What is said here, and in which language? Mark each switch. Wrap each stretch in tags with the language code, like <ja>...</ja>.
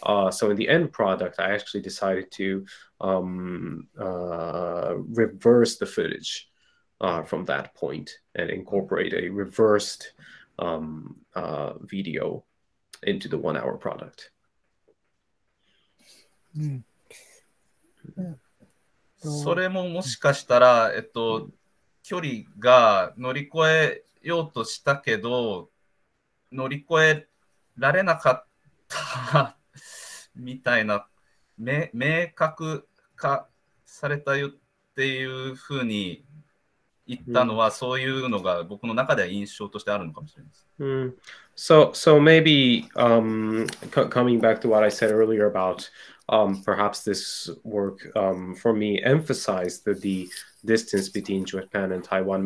<en>So in the end product, I actually decided to reverse the footage from that point and incorporate a reversed video into the 1 hour product.</en> <ja>それももしかしたら、距離が乗り越えようとしたけど、乗り越えられなかったみたいな、明確化されたよっていうふうに言ったのは、そういうのが僕の中では印象としてあるのかもしれません。</ja> <en>So maybe coming back to what I said earlier about perhaps this work for me emphasized the distance between Japan and Taiwan.</en>